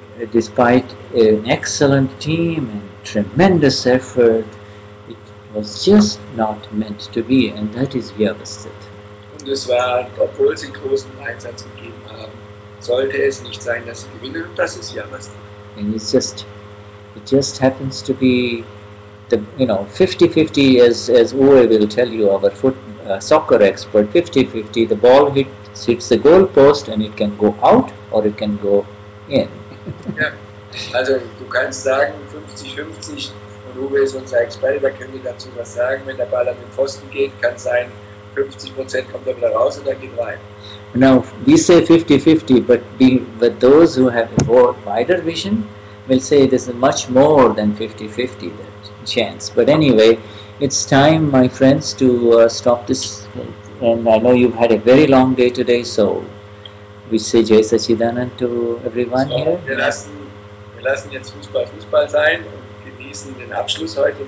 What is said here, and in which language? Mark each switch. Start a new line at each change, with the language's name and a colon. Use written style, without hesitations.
English: Despite an excellent team and tremendous effort, it was just not meant to be, and that is Vyavasthit.
German: Und es war, obwohl sie großen Einsatz gegeben haben, sollte es nicht sein, dass sie gewinnen, und das ist Vyavasthit.
English: And it just happens to be the, you know, 50-50, as Uwe will tell you, our soccer expert, 50-50, the ball hits the goal post and it can go out or it can go in. Yeah.
German: Also, du kannst sagen, 50-50, und Uwe ist unser Experte, da können wir dazu was sagen, wenn der Ball an den Pfosten geht, kann sein, 50% kommt er wieder raus und dann geht rein.
English: Now, we say 50-50, but those who have a more wider vision will say there's much more than 50-50 that chance. But anyway, it's time, my friends, to stop this. And I know you've had a very long day today, so we say Jai Sachidanand to everyone here.
German: Wir lassen jetzt Fußball sein und genießen den Abschluss heute.